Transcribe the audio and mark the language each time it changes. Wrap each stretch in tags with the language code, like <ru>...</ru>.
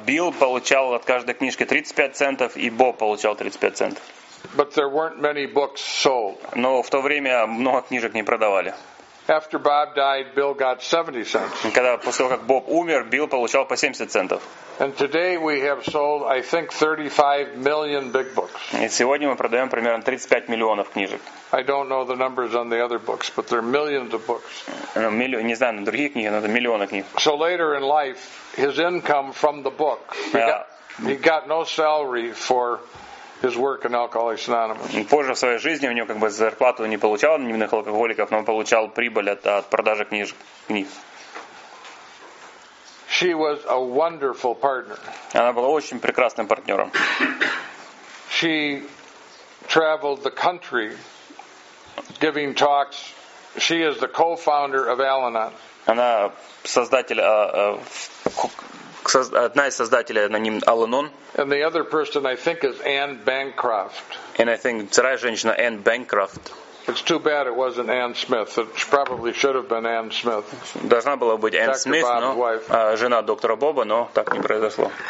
<ru>Билл получал от каждой книжки 35 центов, и Боб получал 35 центов.</ru> <en>But there weren't many books sold.</en> <ru>Но в то время много книжек не продавали.</ru> <en>After Bob died, Bill got 70 cents.</en> <ru>Когда после того, как Боб умер, Билл получал по 70 центов.</ru> <en>And today we have sold, I think, 35 million big books.</en> <ru>И сегодня мы продаем примерно 35 миллионов книжек.</ru> <en>I don't know the numbers on the other books, but there are millions of books.</en> <ru>Не знаю на другие книги, но это миллионы книг.</ru> <en>So later in life, his income from the book, he got no salary for his work in Alcoholics Anonymous.</en> <ru>Позже в своей жизни у него как бы зарплату не получал анонимных алкоголиков, но он получал прибыль от продажи книг.</ru> <en>She was a wonderful partner.</en> <ru>Она была очень прекрасным партнером.</ru> <en>She traveled the country giving talks. She is the co-founder of Al-Anon.</en> <ru>Она одна из создателей аноним Al-Anon.</ru> <en>And the other person, I think, is Anne Bancroft. And I think</en> <ru>вторая женщина</ru> <en>Anne Bancroft. It's too bad it wasn't Anne Smith. It probably should have been Anne Smith.</en> <ru>Должна была быть Anne Smith, но жена доктора Боба, но так не произошло.</ru>